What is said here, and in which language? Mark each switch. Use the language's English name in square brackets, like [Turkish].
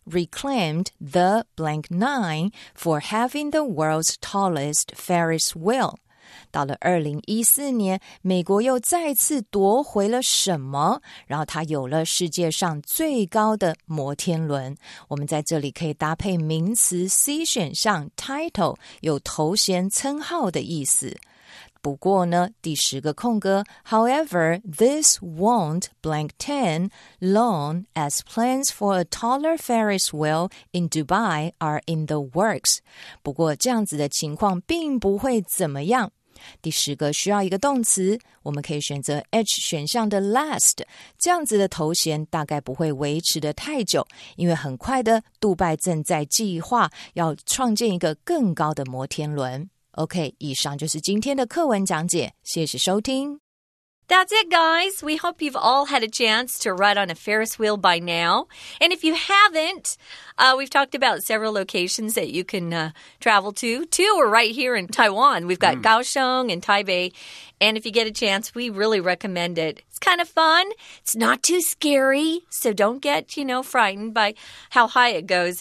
[English] reclaimed the blank nine for having the world's tallest Ferris wheel. [Chinese] 到了2014年，美国又再次夺回了什么？然后它有了世界上最高的摩天轮。我们在这里可以搭配名词 C 选项 title， 有头衔称号的意思。不过呢，第十个空格 [English] However, this won't blank 10 long as plans for a taller Ferris wheel in Dubai are in the works. [Chinese] 不过这样子的情况并不会怎么样。第十个需要一个动词，我们可以选择 H 选项的 last， 这样子的头衔大概不会维持的太久，因为很快的杜拜正在计划要创建一个更高的摩天轮。 OK, 以上就是今天的课文讲解，谢谢收听。 [English] That's it, guys. We hope you've all had a chance to ride on a Ferris wheel by now. And if you haven't, we've talked about several locations that you can travel to. Two are right here in Taiwan. We've got Kaohsiung and Taipei. And if you get a chance, we really recommend it. It's kind of fun. It's not too scary. So don't get, you know, frightened by how high it goes.